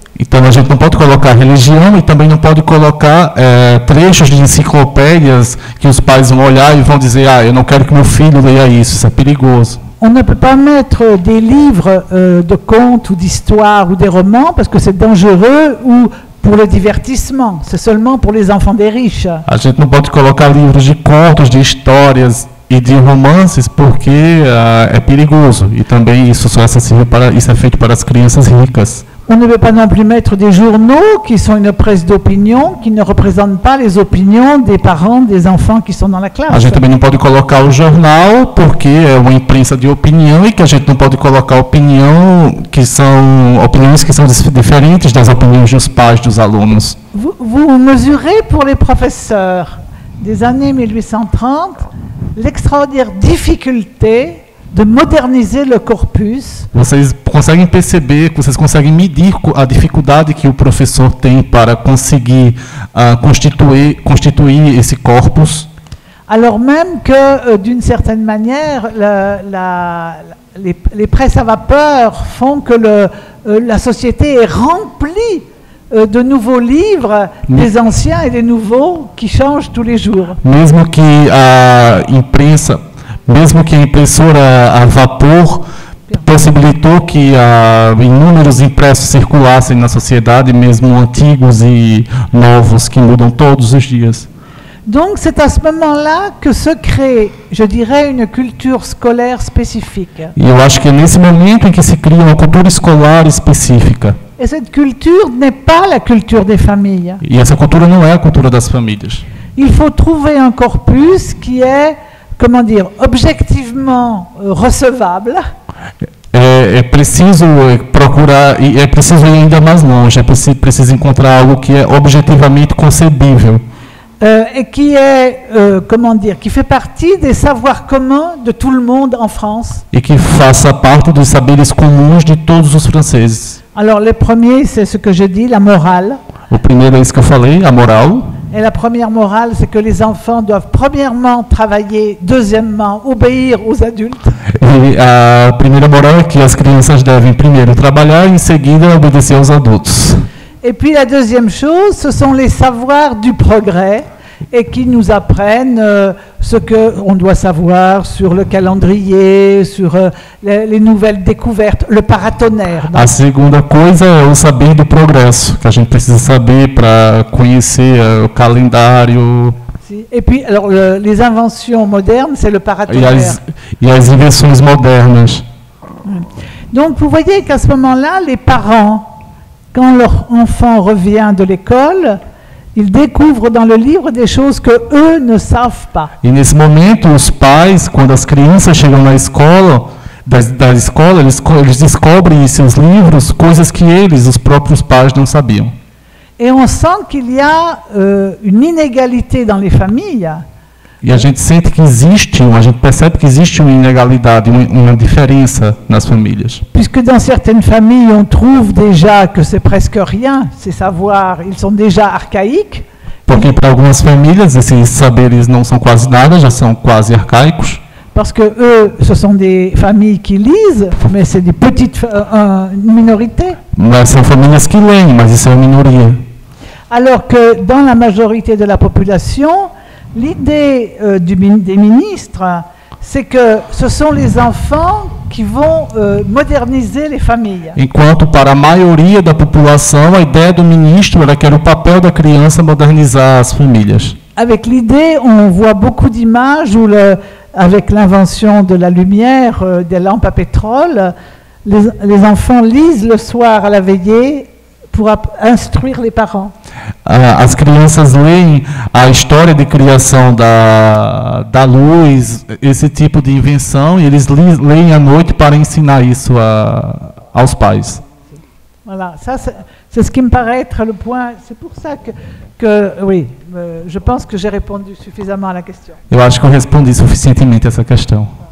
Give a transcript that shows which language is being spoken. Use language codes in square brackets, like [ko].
[pt] Então a gente não pode colocar religião e também não pode colocar trechos de enciclopédias que os pais vão olhar e vão dizer ah, eu não quero que meu filho leia isso, isso é perigoso. [fr] On ne peut pas mettre des livres de contes ou d'histoires ou des romans parce que c'est dangereux ou pour le divertissement. C'est seulement pour les enfants des riches. [pt] A gente não pode colocar livros de contos, de histórias e de romances porque é perigoso. E também isso só é acessível para isso é feito para as crianças ricas. [fr] On ne peut pas non plus mettre des journaux qui sont une presse d'opinion, qui ne représentent pas les opinions des parents, des enfants qui sont dans la classe. [pt] A gente também não pode colocar o jornal porque é uma imprensa de opinião e que a gente não pode colocar opinião que são opiniões que são diferentes das opiniões dos pais dos alunos. [fr] Vous mesurez pour les professeurs des années 1830 l'extraordinaire difficulté de moderniser le corpus. [pt] Vocês conseguem perceber, vocês conseguem medir a dificuldade que o professor tem para conseguir constituir esse corpus? [fr] Alors même que d'une certaine manière les presses à vapeur font que la société est remplie de nouveaux livres, des anciens et des nouveaux qui changent tous les jours. [pt] Mesmo que a imprensa Mesmo que a impressora a vapor possibilitou que inúmeros impressos circulassem na sociedade, mesmo antigos e novos, que mudam todos os dias. [fr] Donc c'est à ce moment-là que se crée, je dirais, une culture scolaire spécifique. [pt] E eu acho que é nesse momento em que se cria uma cultura escolar específica. [fr] Et cette culture n'est pas la culture des familles. [pt] E essa cultura não é a cultura das famílias. [fr] Il faut trouver un corpus qui est comment dire, objectivement recevable. [pt] É preciso procurar, e é preciso ir ainda mais longe, é preciso encontrar algo que é objetivamente concebível. [fr] Et qui est, comment dire, qui fait partie des savoirs communs de tout le monde en France. [pt] E que faça parte dos saberes comuns de todos os franceses. [fr] Alors, le premier, c'est ce que j'ai dit, la morale. [pt] O primeiro é isso que eu falei, a moral. [fr] Et la première morale, c'est que les enfants doivent premièrement travailler, deuxièmement obéir aux adultes. Et la première morale, c'est que les [pt] crianças devem primeiro trabalhar e em seguida obedecer aos adultos. [fr] Et puis la deuxième chose, ce sont les savoirs du progrès et qui nous apprennent ce qu'on doit savoir sur le calendrier, sur les nouvelles découvertes, le paratonnerre. [pt] A segunda coisa é o saber do progresso, que a gente precisa saber para conhecer o calendário. [fr] Et puis, alors, les inventions modernes, c'est le paratonnerre. [pt] E as invenções modernas. [fr] Donc, vous voyez qu'à ce moment-là, les parents, quand leur enfant revient de l'école, ils découvrent dans le livre des choses que eux ne savent pas. [pt] E nesse momento, os pais, quando as crianças chegam na escola, da escola, eles descobrem em seus livros coisas que eles, os próprios pais, não sabiam. [fr] Et on sent qu'il y a une inégalité dans les familles. [pt] E a gente sente que existe, a gente percebe que existe uma inegalidade, uma diferença nas famílias. [fr] Puisque dans certaines familles on trouve déjà que c'est presque rien, ces savoirs, ils sont déjà archaïques. [pt] Porque para algumas famílias esses saberes não são quase nada, já são quase arcaicos. [fr] Parce que eux, ce sont des familles qui lisent, mais c'est des petites minorités. [pt] Mas são famílias que leem, mas isso é uma minoria. [fr] Alors que dans la majorité de la population, l'idée des ministres, c'est que ce sont les enfants qui vont moderniser les familles. [pt] Enquanto para a maioria da população, a ideia do ministro era que era o papel da criança modernizar as famílias. [fr] Avec l'idée, on voit beaucoup d'images où, avec l'invention de la lumière, des lampes à pétrole, les enfants lisent le soir à la veillée pour instruire les parents. [pt] As crianças leem a história de criação da luz, esse tipo de invenção, e eles leem à noite para ensinar isso aos pais. [fr] Voilà, ça c'est ce qui me paraît être le point, c'est pour ça que oui, je pense que j'ai répondu suffisamment à la question. [pt] Eu acho que eu respondi suficientemente a essa questão.